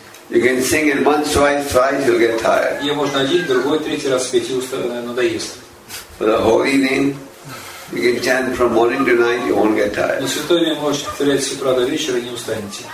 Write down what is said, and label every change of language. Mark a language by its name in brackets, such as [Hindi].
[English] You can sing it once, twice, you'll get tired. [Russian] Ее можно один, другой, третий раз петь, и надоест. [English] The holy name. You can chant from morning to night, you won't get tired. [Russian] Но святое имя можете повторять с утра до вечера, и не устанете.